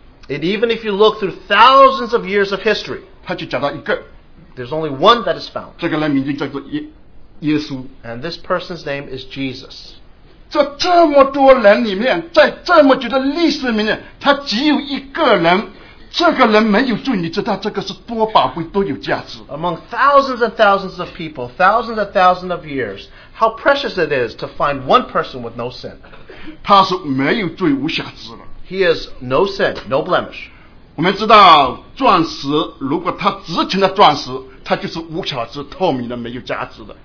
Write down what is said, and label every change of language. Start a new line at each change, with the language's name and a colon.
English: And even if you look through thousands of years of history, there's only one that is found. And this person's name is Jesus.
Chinese: 在这么多人里面，在这么久的历史里面，他只有一个人，这个人没有罪，你知道这个是多宝贵，多有价值。
English: Among thousands and thousands of people, thousands and thousands of years, how precious it is to find one person with no sin.
Chinese: 他是没有罪无瑕疵的。He
English: has no sin, no blemish.
Chinese: 我们知道钻石，如果它值钱的钻石。它就是无瑕疵、透明的、没有价值的。